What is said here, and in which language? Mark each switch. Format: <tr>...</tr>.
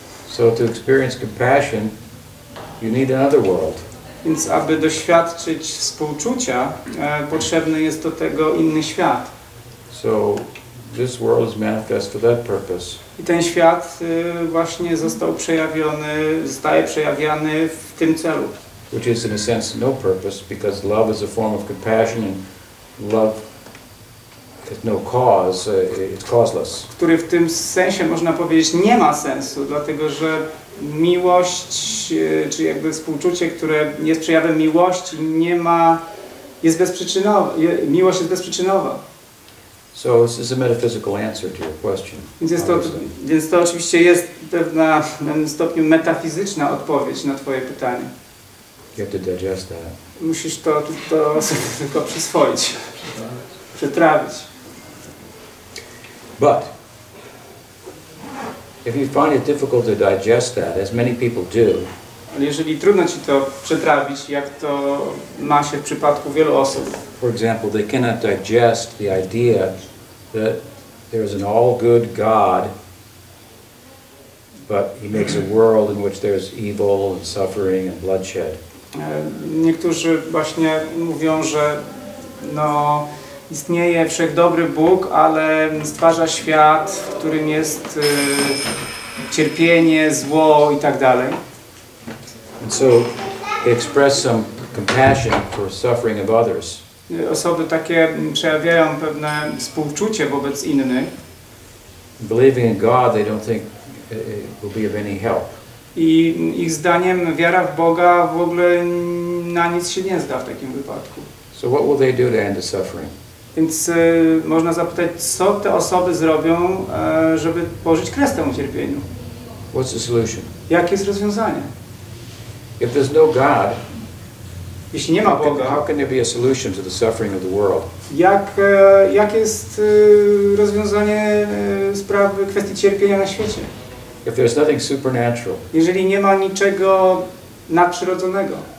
<en>So to experience compassion, you need another world.</en> <pl>Więc aby doświadczyć współczucia, potrzebny jest do tego inny świat.</pl> <en>So this world is manifest for that purpose.</en> <pl>I ten świat właśnie został przejawiony, zostaje przejawiany w tym celu.</pl> <en>Which is in a sense no purpose, because love is a form of compassion and love has no cause, it's causeless.</en> <pl>Który w tym sensie można powiedzieć nie ma sensu, dlatego że miłość, czy jakby współczucie, które jest przejawem miłości, nie ma, jest bezprzyczynowe, miłość jest bezprzyczynowa.</pl> <en>So this is a metaphysical answer to your question.</en> <pl>Więc to oczywiście jest pewna, w pewnym stopniu metafizyczna odpowiedź na twoje pytanie.</pl> <en>You have to digest that.</en> <pl>Musisz to sobie tylko przyswoić, przetrawić.</pl> <en>But if you find it difficult to digest that, as many people do,</en> <pl>ale jeżeli trudno ci to przetrawić, jak to ma się w przypadku wielu osób.</pl> <en>For example, they cannot digest the idea that there is an all-good God, but he makes a world in which there is evil and suffering and bloodshed.</en> <pl>Niektórzy właśnie mówią, że no, istnieje wszechdobry Bóg, ale stwarza świat, w którym jest cierpienie, zło i tak dalej.</pl> <en>And so they express some compassion for suffering of others.</en> <pl>Osoby takie przejawiają pewne współczucie wobec innych.</pl> <en>Believing in God, they don't think it will be of any help.</en> <pl>I ich zdaniem wiara w Boga w ogóle na nic się nie zda w takim wypadku.</pl> <en>So what will they do to end the suffering?</en> <pl>Więc można zapytać, co te osoby zrobią, żeby położyć kres temu cierpieniu?</pl> <en>What's the solution?</en> <pl>Jakie jest rozwiązanie?</pl> <en>If there's no God,</en> <pl>jeśli nie ma Boga,</pl> <en>how can there be a solution to the suffering of the world?</en> <pl>Jak jest rozwiązanie sprawy kwestii cierpienia na świecie?</pl> <en>If there's nothing supernatural,</en> <pl>jeżeli nie ma niczego nadprzyrodzonego,</pl>